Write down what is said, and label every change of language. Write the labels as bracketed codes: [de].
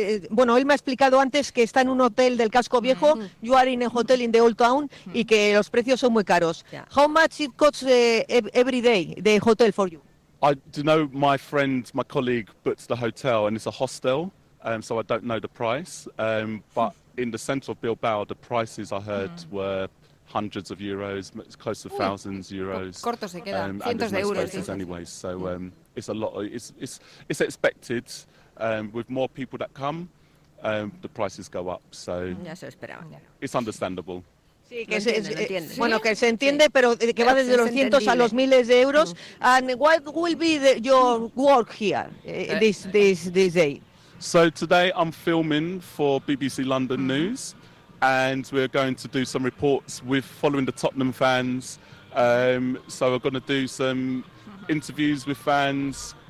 [es] Bueno, él me ha explicado antes que está en un hotel del casco viejo. [en] You are in a hotel in the old town [es] y que los precios son muy caros. [en] Yeah. How much it costs every day the hotel for you? I do know my colleague puts the hotel and it's a hostel, so I don't know the price. But in the centre of Bilbao, the prices I heard were hundreds of euros, close to thousands of euros. [es] Corto se queda, cientos [en] and there's no [es] de euros. [en] Anyway, so it's a lot. It's expected. With more people that come, the prices go up. So [es] ya se esperaba. [en] It's understandable. [es] Sí, que que se entiende, sí. Pero que va desde los cientos a los miles de euros. [en] And what will be your work here this day? So today I'm filming for BBC London News. And we're going to do some reports with following the Tottenham fans. So we're going to do some interviews with fans.